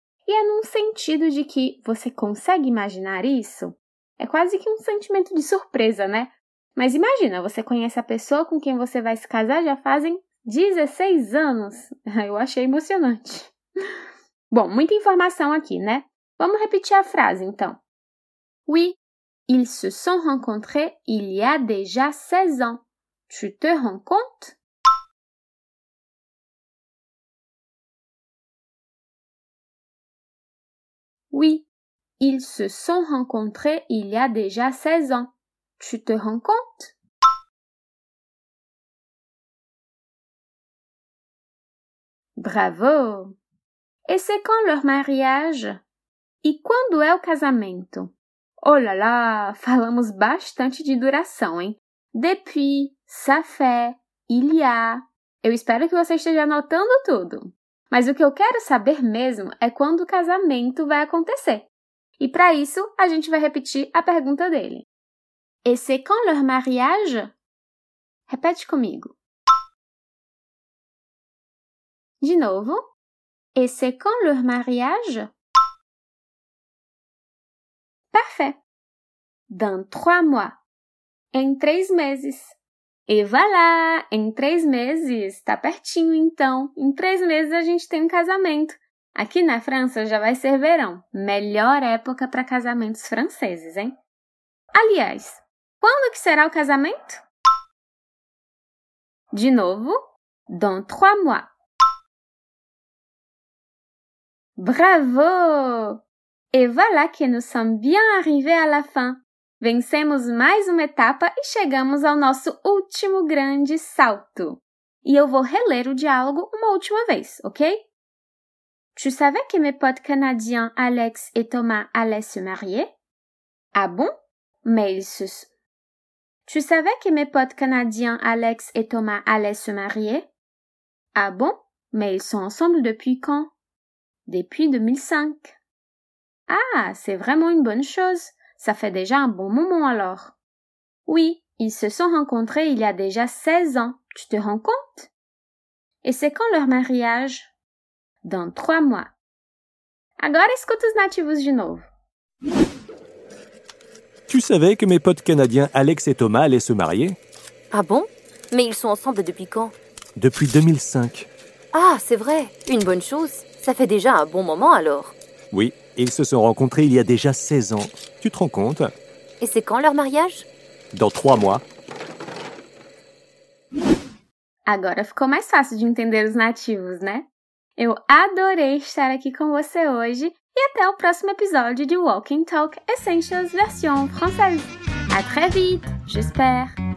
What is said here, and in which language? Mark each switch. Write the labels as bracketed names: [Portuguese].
[Portuguese] E é num sentido de que você consegue imaginar isso? É quase que um sentimento de surpresa, né? Mas imagina, você conhece a pessoa com quem você vai se casar já fazem 16 anos. Eu achei emocionante. Bom, muita informação aqui, né? Vamos repetir a frase, então. [French] Oui, ils se sont rencontrés il y a déjà 16 ans. Tu te rends compte? Oui, ils se sont rencontrés il y a déjà 16 ans. Tu te rends compte? Bravo! E c'est quand leur mariage? [Portuguese] E quando é o casamento? Oh là là, falamos bastante de duração, hein? Depuis, ça fait, il y a. Eu espero que você esteja anotando tudo. Mas o que eu quero saber mesmo é quando o casamento vai acontecer. E para isso, a gente vai repetir a pergunta dele. [French] Et c'est quand leur mariage? [Portuguese] Repete comigo. De novo. [French] Et c'est quand leur mariage? Parfait. Dans trois mois. [Portuguese] Em 3 meses. E voilà! Em 3 meses. Tá pertinho, então. Em 3 meses a gente tem um casamento. Aqui na França já vai ser verão. Melhor época para casamentos franceses, hein? Aliás, quando que será o casamento? De novo. [French] Dans trois mois. Bravo! Et voilà que nous sommes bien arrivés à la fin. [Portuguese] Vencemos mais uma etapa e chegamos ao nosso último grande salto. E eu vou reler o diálogo uma última vez, ok? [French] Tu savais que mes potes canadiens Alex et Thomas allaient se marier? Ah bon? Mais ils se... Tu savais que mes potes canadiens Alex et Thomas allaient se marier? Ah bon? Mais ils sont ensemble depuis quand? Depuis 2005. Ah, c'est vraiment une bonne chose. Ça fait déjà un bon moment alors. Oui, ils se sont rencontrés il y a déjà 16 ans. Tu te rends compte? Et c'est quand leur mariage? Dans 3 mois. [Portuguese] Agora escuta os nativos de novo. [French] Tu savais que mes potes canadiens Alex et Thomas allaient se marier? Ah bon? Mais ils sont ensemble depuis quand? Depuis 2005. Ah, c'est vrai. Une bonne chose. Ça fait déjà un bon moment alors. Oui, ils se sont rencontrés il y a déjà 16 ans. Tu te rends compte? Et c'est quand leur mariage? Dans 3 mois. [Portuguese] Agora ficou mais fácil de entender os nativos, né? Eu adorei estar aqui com você hoje e até o próximo episódio de Walking Talk Essentials Version Française. [French] À très vite, j'espère!